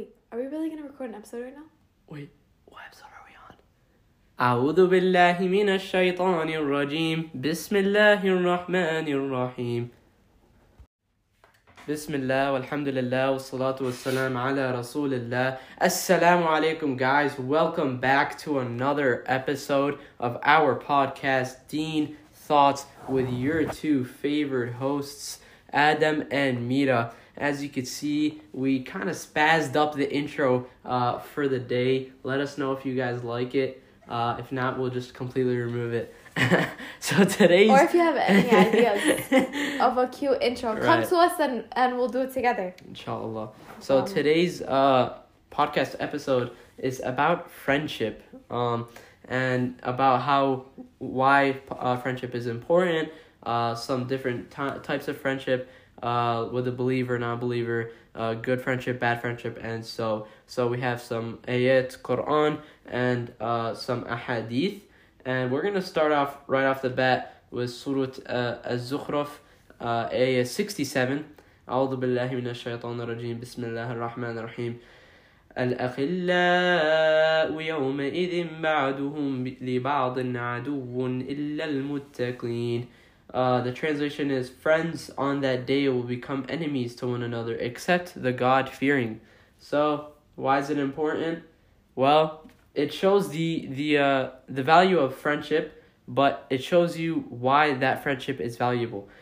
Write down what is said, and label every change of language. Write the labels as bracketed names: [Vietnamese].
[English] Are we really going to record an episode right now? Wait, what episode are we on? [Arabic] أعوذ بالله من الشيطان الرجيم بسم الله الرحمن الرحيم بسم الله والحمد لله والصلاة والسلام على رسول الله السلام عليكم [English] guys, welcome back to another episode of our podcast Dean Thoughts with your two favorite hosts Adam and Mira. As you could see, we kind of spazzed up the intro for the day. Let us know if you guys like it. If not, we'll just completely remove it. So today's... Or if you have any ideas of a cute intro, right. Come to us and we'll do it together. [Arabic] Inshallah. [English] So today's podcast episode is about friendship and about why friendship is important, some different types of friendship. With a believer, non-believer, good friendship, bad friendship, and so we have some ayat, Quran, and some ahadith, and we're gonna start off right off the bat with Surah Az-Zukhruf, ayah 67. [Arabic] A'udhu billahi minash shaitanir rajim, bismillahir rahmanir rahim. الأخلاء يومئذ بعضهم لبعض عدو إلا المتقين. [English] The translation is, friends on that day will become enemies to one another, except the God-fearing. So, why is it important? Well, it shows the value of friendship, but it shows you why that friendship is valuable.